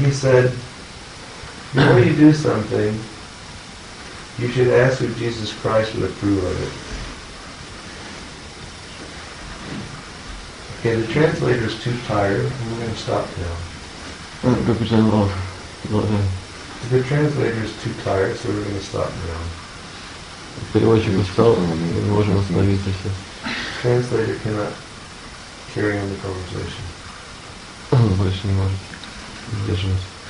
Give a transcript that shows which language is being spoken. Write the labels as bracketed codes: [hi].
[en] He said, before you do something, you should ask if Jesus Christ would approve of it. Okay, the translator is too tired, and we're going to stop now. The translator is too tired, so we're going to stop now. [ru] Переводчик устал, мы можем остановиться сейчас. [en] Translator cannot carry on the conversation. [ru] Больше не может сдерживать.